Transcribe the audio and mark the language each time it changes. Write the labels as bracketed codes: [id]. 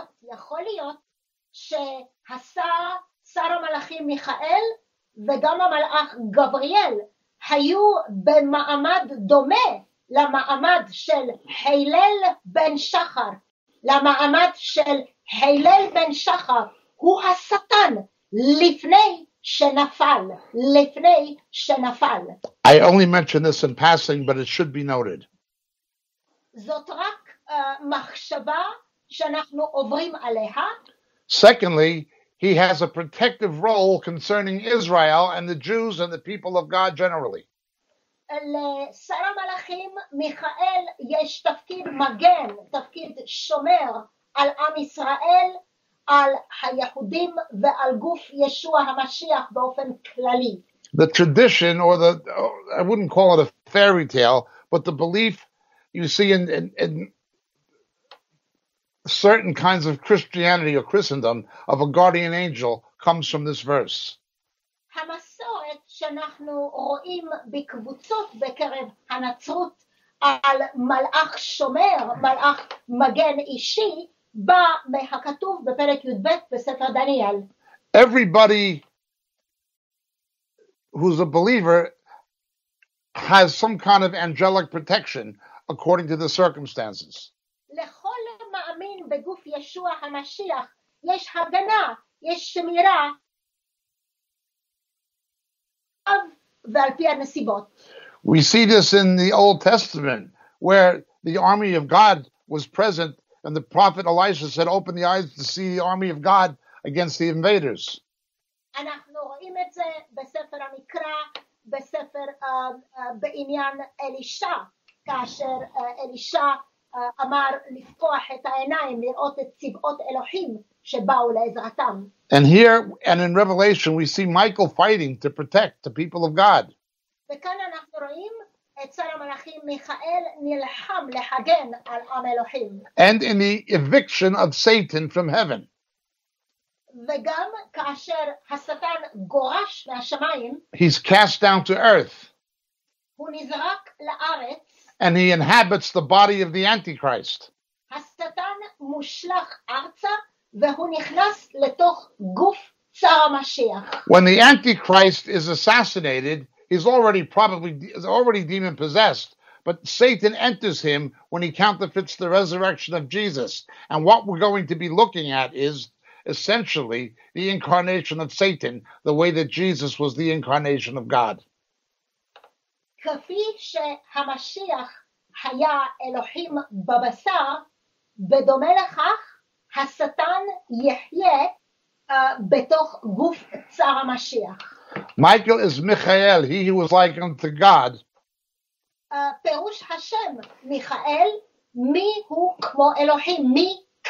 [he] יכול להיות שהשר, שר המלאכים מיכאל וגם המלאך גבריאל היו במעמד דומה למעמד של הלל בן שחר, למעמד של הלל בן שחר הוא השטן לפני שנפל, לפני שנפל. [en] I only mention this in passing, but it should be noted. [he] זאת רק מחשבה שאנחנו עוברים עליה. [en] Secondly, he has a protective role concerning Israel and the Jews and the people of God generally. [he] לשר המלאכים מיכאל יש תפקיד מגן, תפקיד שומר על עם ישראל, על היהודים ועל גוף ישוע המשיח באופן כללי. [en] The tradition, or the, I wouldn't call it a fairy tale, but the belief you see in certain kinds of Christianity or Christendom of a guardian angel comes from this verse. [he] המסורת שאנחנו רואים בקבוצות בקרב הנצרות על מלאך שומר, מלאך מגן אישי, בא מהכתוב בפרק י"ב בספר דניאל. [en] Everybody who's a believer has some kind of angelic protection according to the circumstances. [he] לכל מאמין בגוף ישוע המשיח יש הגנה, יש שמירה, ועל פי הנסיבות. [en] We see this in the Old Testament, where the army of God was present, and the prophet Elisha said, "Open the eyes to see the army of God against the invaders." [he] אנחנו רואים את זה בספר המקרא, בספר בעניין אלישע, כאשר אלישע אמר לפקוח את העיניים, לראות את צבאות אלוהים שבאו לעזרתם. [en] And here, and in Revelation, we see Michael fighting to protect the people of God. [he] וכאן אנחנו רואים את שר המלאכים מיכאל נלחם להגן על עם אלוהים. [en] And in the eviction of Satan from heaven. [he] וגם כאשר השטן גורש מהשמיים, [en] he's cast down to earth. [he] הוא נזרק לארץ. [en] And he inhabits the body of the Antichrist. [he] השטן מושלך ארצה, והוא נכנס לתוך גוף שר המשיח. [en] When the Antichrist is assassinated, he's already probably demon possessed, but Satan enters him when he counterfeits the resurrection of Jesus. And what we're going to be looking at is essentially the incarnation of Satan, the way that Jesus was the incarnation of God. [he] כפי שהמשיח היה אלוהים בבשר, בדומה לכך השטן יחיה בתוך גוף צר המשיח. [en] Michael is Michael, he who was like unto God. [he] פירוש השם מיכאל, מי הוא כמו אלוהים, מיכאל.